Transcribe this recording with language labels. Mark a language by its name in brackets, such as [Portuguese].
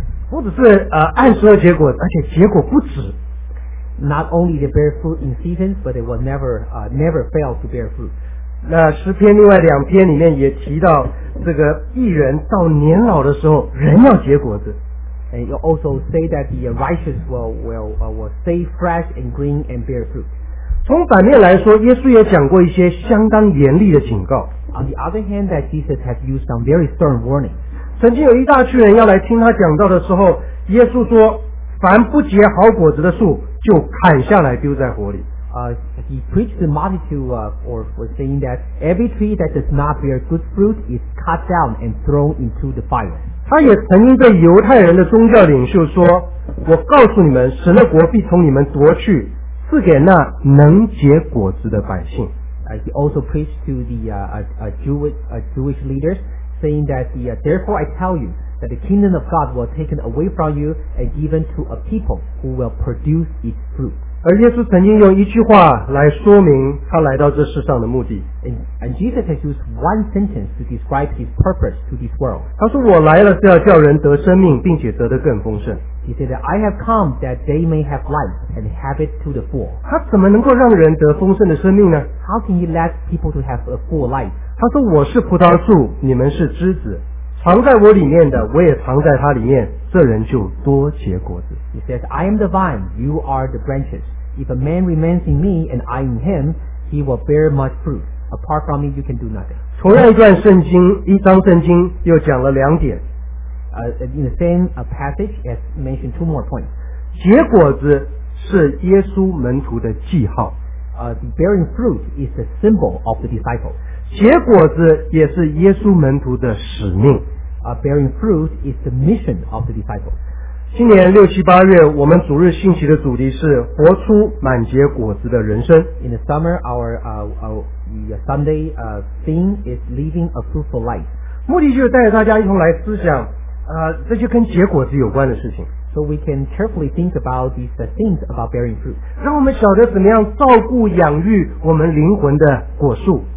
[Chinese] 不只是按时的结果，而且结果不止。 [English] Not only they bear fruit in seasons, but they will never fail to bear fruit. [Chinese] 那诗篇另外两篇里面也提到，这个义人到年老的时候，仍要结果子。 [English] And you also say that the righteous will stay fresh and green and bear fruit. [Chinese] 从反面来说，耶稣也讲过一些相当严厉的警告。 [English] On the other hand, that Jesus has used some very stern warning. [Chinese] 曾经有一大群人要来听他讲道的时候，耶稣说：“凡不结好果子的树，就砍下来丢在火里。” [English] He preached the multitude for saying that every tree that does not bear good fruit is cut down and thrown into the fire. [Chinese] 他也曾经对犹太人的宗教领袖说：“我告诉你们，神的国必从你们夺去。” 赐给那能结果子的百姓。 [English] He also preached to the Jewish leaders, saying that therefore I tell you that the kingdom of God will taken away from you and given to a people who will produce its fruit. [Chinese] 而耶稣曾经用一句话来说明他来到这世上的目的。 [English] And Jesus has used one sentence to describe his purpose to this world. [Chinese] 他说我来了是要叫人得生命，并且得得更丰盛。 [English] He said that I have come that they may have life and have it to the full. [Chinese] 他怎么能够让人得丰盛的生命呢？ [English] How can he let people to have a full life? [Chinese] 他说我是葡萄树，你们是枝子，藏在我里面的，我也藏在他里面，这人就多结果子。 [English] He says, I am the vine, you are the branches. If a man remains in me and I in him, he will bear much fruit. Apart from me, you can do nothing. [Chinese] 同样一段圣经，一章圣经又讲了两点。 [English] in the same passage has mentioned two more points. [Chinese] 结果子是耶稣门徒的记号。 [English] Bearing fruit is the symbol of the disciple. [Chinese] 结果子也是耶稣门徒的使命。 [English] Bearing fruit is the mission of the disciple. [Chinese] 今年六七八月，我们主日信息的主题是活出满结果子的人生。 [English] In the summer, our Sunday theme is living a fruitful life. [Chinese] 目的就是带着大家一同来思想，这些跟结果子有关的事情。 [English] So we can carefully think about these things about bearing fruit. [Chinese] 让我们晓得怎么样照顾养育我们灵魂的果树。